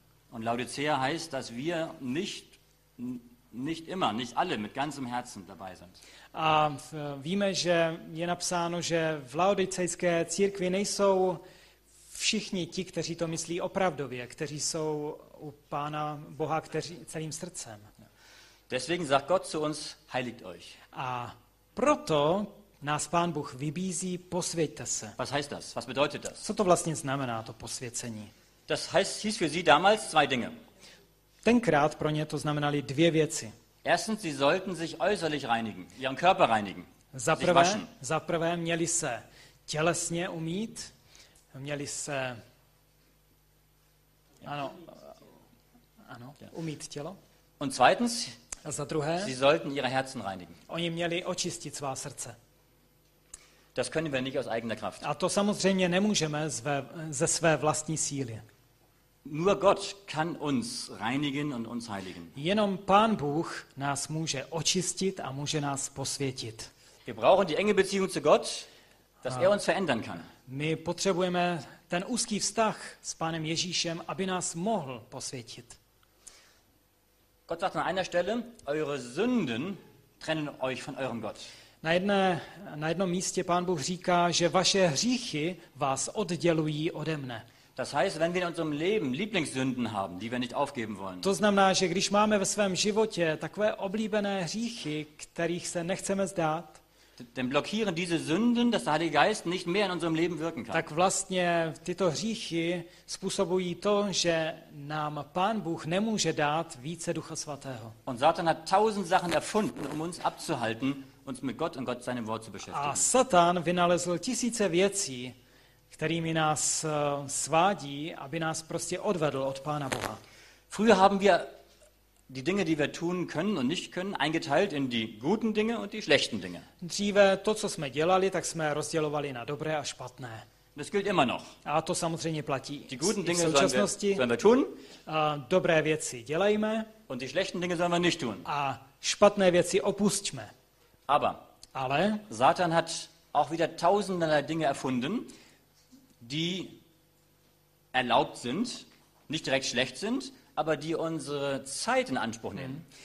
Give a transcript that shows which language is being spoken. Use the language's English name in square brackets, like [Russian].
[German] Und Laodicea heißt, dass wir nicht immer, nicht alle mit ganzem Herzen dabei sind. [Czech] A víme, že je napsáno, že v laodicejské církvi nejsou všichni ti, kteří to myslí opravdově, kteří jsou u Pána Boha celým srdcem. [German] Deswegen sagt Gott zu uns, heiligt euch. [Czech] A proto nás Pán Bůh vybízí, posvěťte se. [German] Was heißt das? Was bedeutet das? [Czech] Co to vlastně znamená, to posvěcení? [German] Das heißt, hieß für sie damals zwei Dinge. [Czech] Tenkrát pro ně to znamenaly dvě věci. [German] Erstens, sie sollten sich äußerlich reinigen, ihren Körper reinigen. [Czech] Za prvé, měli se tělesně umýt, měli se ano, umýt tělo. [German] Und zweitens, [Czech] a za druhé, [German] sie sollten ihre Herzen reinigen. [Czech] Oni měli očistit svá srdce. [German] Das können wir nicht aus eigener Kraft. [Czech] A to samozřejmě nemůžeme ze své vlastní síly. [German] Nur Gott kann uns reinigen und uns heiligen. [Czech] Jenom Pán Bůh nás může očistit a může nás posvětit. [German] Wir brauchen die enge Beziehung zu Gott, dass er uns verändern kann. [Czech] My potřebujeme ten úzký vztah s Pánem Ježíšem, aby nás mohl posvětit. [German] Gott sagt an einer Stelle, eure Sünden trennen euch von eurem Gott. [Czech] Na jednom místě Pán Bůh říká, že vaše hříchy vás oddělují ode mne. [German] Das heißt, wenn wir in unserem Leben Lieblingssünden haben, die wir nicht aufgeben wollen. [Czech] To znamená, že když máme ve svém životě takové oblíbené hříchy, kterých se nechceme zdát, [German] dann blockieren diese Sünden, dass der Heilige Geist nicht mehr in unserem Leben wirken kann. [Czech] Tak vlastně tyto hříchy způsobují to, že nám Pán Bůh nemůže dát více Ducha Svatého. [German] Und Satan hat tausend Sachen erfunden, um uns abzuhalten, uns mit Gott und Gott seinem Wort zu beschäftigen. [Czech] A Satan vynalezl tisíce věcí, kterými nás svádí, aby nás prostě odvedl od Pána Boha. [German] Früher haben wir die Dinge, die wir tun können und nicht können, eingeteilt in die guten Dinge und die schlechten Dinge. [Czech] Dříve to, co jsme dělali, tak jsme rozdělovali na dobré a špatné. [German] Das gilt immer noch. [Czech] A to samozřejmě platí. [German] Die guten Dinge sollen wir tun. [Czech] Dobré věci dělejme. [German] Und die schlechten Dinge sollen wir nicht tun. [Czech] A špatné věci opusťme. [German] Aber. [Czech] Ale. [German] Satan hat auch wieder tausendelei Dinge erfunden, die erlaubt sind, nicht direkt schlecht sind, aber die unsere Zeit in Anspruch nehmen.